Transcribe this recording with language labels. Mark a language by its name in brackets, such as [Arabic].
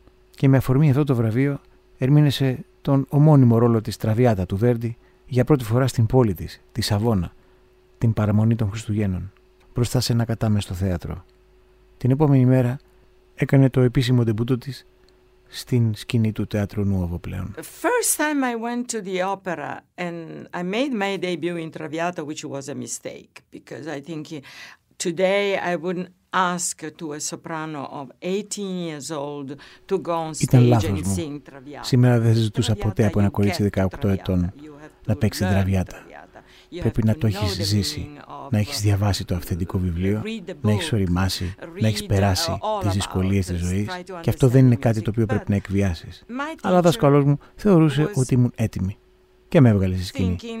[Greek] Και με αφορμή αυτό το βραβείο ερμήνεσε τον ομώνυμο ρόλο της Τραβιάτα του Βέρντι για πρώτη φορά στην πόλη της, τη Σαβόνα, την παραμονή των Χριστουγέννων, μπροστά σε ένα κατάμεστο θέατρο. Την επόμενη μέρα έκανε το επίσημο ντεμπούτο της στην σκηνή του Θεάτρου Νουόβο πλέον. [English] The first time I went to the opera and I made my debut in Traviata, which was a mistake, because I think today I wouldn't ask to a soprano of 18 years old to go on stage and sing Traviata. [Greek] Σήμερα δεν ζητούσα ποτέ από ένα κορίτσι 18 ετών να παίξει Traviata. Πρέπει να το έχεις ζήσει, να έχεις διαβάσει το αυθεντικό βιβλίο, να έχεις οριμάσει, να έχεις περάσει τις δυσκολίες της ζωής και αυτό δεν είναι κάτι το οποίο πρέπει να εκβιάσεις. Αλλά ο δασκαλός μου θεωρούσε ότι ήμουν έτοιμη και με έβγαλε στη σκηνή.